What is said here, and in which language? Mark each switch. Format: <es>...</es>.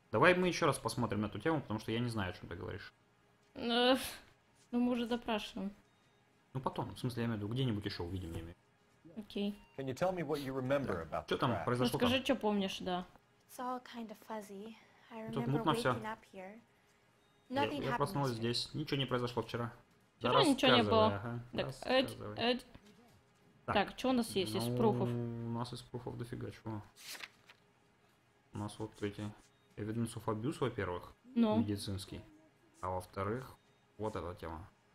<ru>Давай мы еще раз посмотрим на эту тему, потому что я не знаю, о чем ты говоришь. Ну, мы уже допрашиваем. Ну, потом. В смысле, я имею в виду, где-нибудь еще увидим, я имею. Окей.</ru> <en>Can you tell me what you remember about?</en> <ru>Что там произошло? Скажи, что помнишь, да.</ru> <en>It's all kind of fuzzy. I remember waking up here.</en> <ru>Я проснулась здесь. Ничего не произошло вчера. Вчера ничего не было. Так. Так, что у нас есть из пруфов? У нас из пруфов дофига чего. У нас вот эти</ru> <en>evidence of abuse,</en> <ru>во-первых, медицинский. А во-вторых, вот эта тема.</ru>